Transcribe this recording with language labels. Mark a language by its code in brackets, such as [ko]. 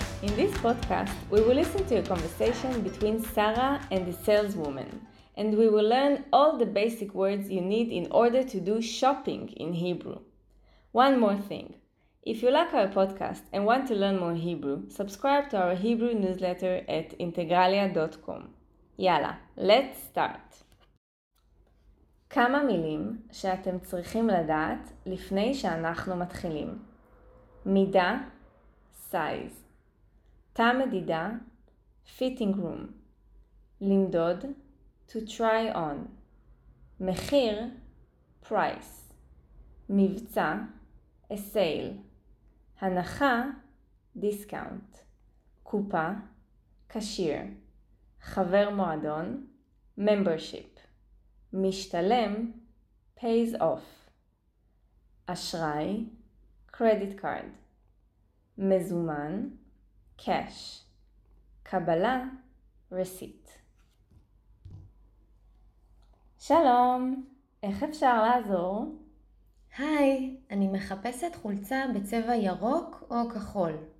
[en] In this podcast, we will listen to a conversation between Sarah and the saleswoman, and we will learn all the basic words you need in order to do shopping in Hebrew. One more thing. If you like our podcast and want to learn more Hebrew, subscribe to our Hebrew newsletter at integralia.com. יאללה, let's start. [he] כמה מילים שאתם צריכים לדעת לפני שאנחנו מתחילים. מידה, size. תא מדידה, fitting room. [en] למדוד, to try on. מחיר, price. מבצע, a sale. [he] הנחה, discount. קופה, cashier. חבר מועדון, membership. [en] משתלם, pays off. אשראי, credit card. [he] מזומן, cash. קבלה, receipt. שלום, איך אפשר לעזור? היי, אני מחפשת חולצה בצבע ירוק או כחול.